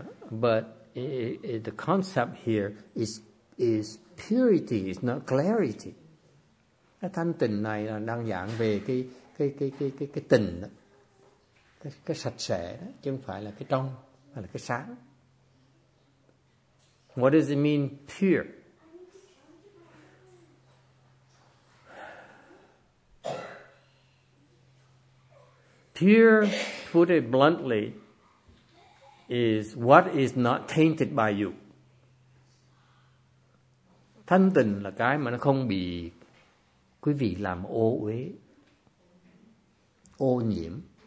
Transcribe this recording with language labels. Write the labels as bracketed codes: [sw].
[en] But the concept here is purity, it's not clarity. [vi] Cái thanh tịnh này là đang giảng về cái tịnh đó. Cái sạch sẽ đó, chứ không phải là cái trong, mà là cái sáng. [en] What does it mean, pure? Pure, put it bluntly, is what is not tainted by you. [vi] Thanh tịnh là cái mà nó không bị quý vị làm ô uế, ô nhiễm.